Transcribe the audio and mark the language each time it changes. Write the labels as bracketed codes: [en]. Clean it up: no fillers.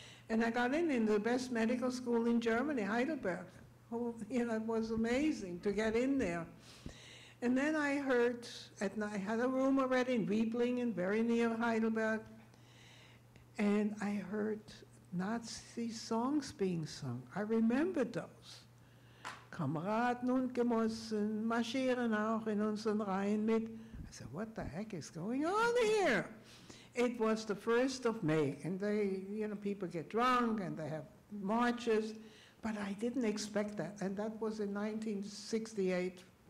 [en] And I got in the best medical school in Germany, Heidelberg. Oh, you know, it was amazing to get in there. And then I heard, I had a room already in Wieblingen, very near Heidelberg, and I heard Nazi songs being sung. I remember those. [de] Kameraden und Genossen marschieren auch in unseren Reihen mit. [en] I said, what the heck is going on here? It was the 1st of May, and they, you know, people get drunk and they have marches. But I didn't expect that, and that was in 1968.